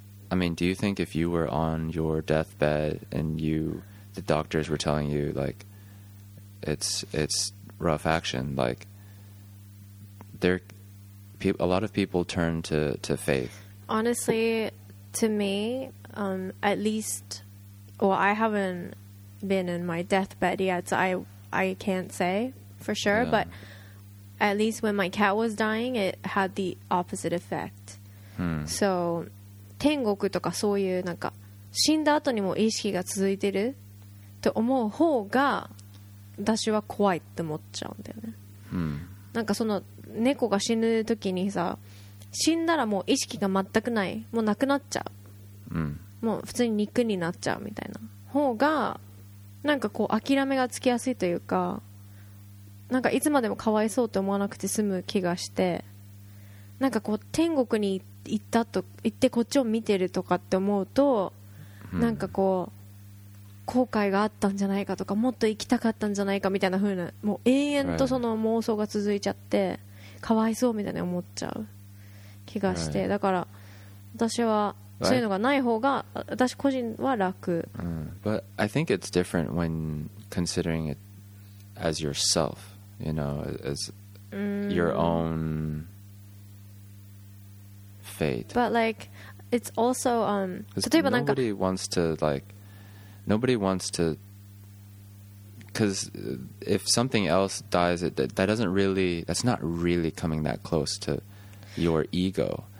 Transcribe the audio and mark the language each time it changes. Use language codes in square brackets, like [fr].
[en] I mean, do you think if you were on your deathbed and the doctors were telling you, like, it's rough action, like, a lot of people turn to faith. Honestly, to me, at least, well, I haven't been in my deathbed yet, so I can't say for sure, but at least when my cat was dying, it had the opposite effect. [ja] So 天国とかそういうなんか死んだ後にも意識が続いてると思う方が私は怖いって思っちゃうんだよね。なんかその猫が死ぬ時にさ、死んだらもう意識が全くない、もうなくなっちゃう、もう普通に肉になっちゃうみたいな方がなんかこう諦めがつきやすいというか、なんかいつまでもかわいそうと思わなくて済む気がして、なんかこう天国に行ったと行ってこっちを見てるとかって思うと、なんかこう後悔があったんじゃないかとか、もっと行きたかったんじゃないかみたいな風な、もう永遠とその妄想が続いちゃってかわいそうみたいに思っちゃう気がして、だから私はそういうのがない方が私個人は楽。 [en] But I think it's different when considering it as yourself, you know, as your own fate. But like, it's also, [ja] 例えばなんか、 [en] nobody wants to, like, nobody wants to, because if something else dies, that's not really coming that close to your ego.